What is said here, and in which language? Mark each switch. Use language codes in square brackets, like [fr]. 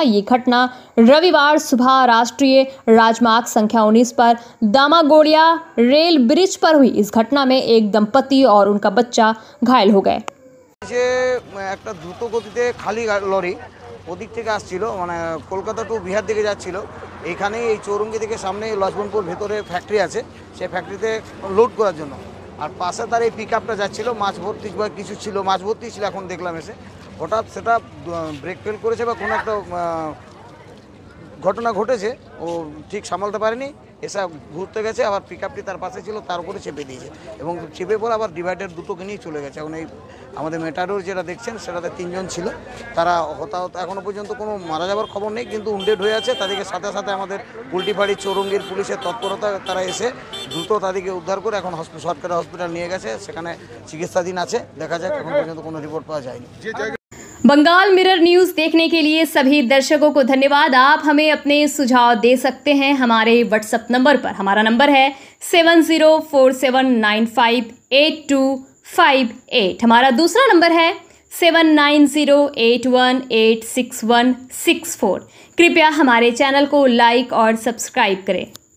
[hi] ये घटना रविवार सुबह राष्ट्रीय राजमार्ग संख्या 19 पर दामागोड़िया रेल ब्रिज पर हुई। इस घटना में एक दंपति और उनका बच्चा घायल हो गए। ये एक द्रुत गति से खाली लॉरी ओदिक [bn] থেকে আসছিল, মানে কলকাতা টু বিহার দিকে যাচ্ছিল। এখানে এই চৌরঙ্গি থেকে সামনে লজবনপুর ভেতরে ফ্যাক্টরি আছে, সেই ফ্যাক্টরিতে লোড করার জন্য আর পাশে তার এই পিকআপটা যাচ্ছিল। মাছ ভর্তি বা কিছু ছিল, মাছ ভর্তি ছিল, এখন দেখলাম এসে হঠাৎ সেটা ব্রেক ফেল করেছে বা কোনো একটা ঘটনা ঘটেছে, ও ঠিক সামলাতে পারেনি, এসে ঘুরতে গেছে, আবার পিকআপটি তার পাশে ছিল, তার উপরে চেপে দিয়েছে এবং চেপে পড়ে আবার ডিভাইডার দুটোকে নিয়ে চলে গেছে। এখন এই আমাদের মেটাডোর যেটা দেখছেন সেটাতে 3 জন ছিল, তারা হতাহত এখনও পর্যন্ত কোনো মারা যাবার খবর নেই, কিন্তু উন্ডেড হয়ে আছে। তাদেরকে সাথে সাথে আমাদের পুলটিফাড়ি চৌরঙ্গির পুলিশের তৎপরতা তারা এসে দ্রুত তাদেরকে উদ্ধার করে এখন সরকারি হসপিটাল নিয়ে গেছে, সেখানে চিকিৎসাধীন আছে। দেখা যাক, এখন পর্যন্ত কোনো রিপোর্ট পাওয়া যায়নি। [hi] बंगाल मिरर न्यूज़ देखने के लिए सभी दर्शकों को धन्यवाद। आप हमें अपने सुझाव दे सकते हैं हमारे व्हाट्सएप नंबर पर। हमारा नंबर है 7047958258। हमारा दूसरा नंबर है 7908186164। कृपया हमारे चैनल को लाइक और सब्सक्राइब करें।